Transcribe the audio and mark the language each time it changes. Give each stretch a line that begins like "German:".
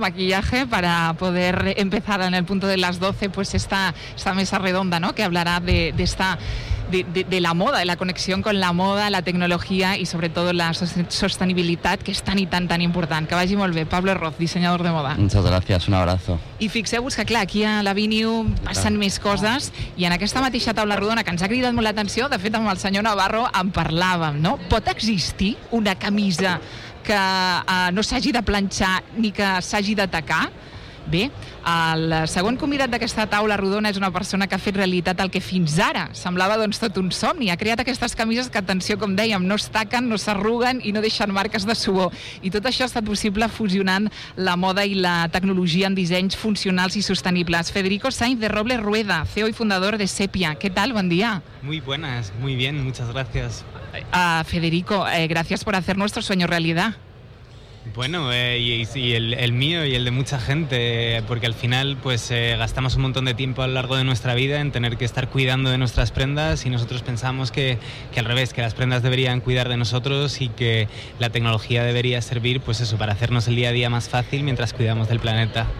Spanish: maquillaje, para poder empezar en el punto de las 12, pues esta mesa redonda, ¿no? Que hablará de la moda, de la conexión con la moda, la tecnología y sobre todo la sostenibilidad, que es tan y tan, tan importante.
Catalan: Que vagi molt bé.
Spanish: Pablo Roth, diseñador de moda. Muchas gracias, un abrazo.
Catalan: I fixeu-vos que, clar, aquí a l'Avinyu passen més coses i en aquesta mateixa taula rodona, que ens ha cridat molt l'atenció, de fet, amb el senyor Navarro en parlàvem, no? Pot existir una camisa que no s'hagi de planxar ni que s'hagi de tacar? Bé, el segon convidat d'aquesta taula rodona és una persona que ha fet realitat el que fins ara semblava doncs, tot un somni. Ha creat aquestes camises que, atenció, com dèiem, no es taquen, no s'arruguen i no deixen marques de suor. I tot això ha estat possible fusionant la moda i la tecnologia en dissenys funcionals i sostenibles. Federico Sainz de Robles Rueda, CEO i fundador de Sepia. Què tal? Bon dia.
Spanish: Muy buenas, muy bien, muchas gracias. Federico, gracias por hacer nuestro sueño realidad. Bueno, y el mío y el de mucha gente, porque al final pues gastamos un montón de tiempo a lo largo de nuestra vida en tener que estar cuidando de nuestras prendas y nosotros pensamos que al revés, que las prendas deberían cuidar de nosotros y que la tecnología debería servir pues eso, para hacernos el día a día más fácil mientras cuidamos del planeta.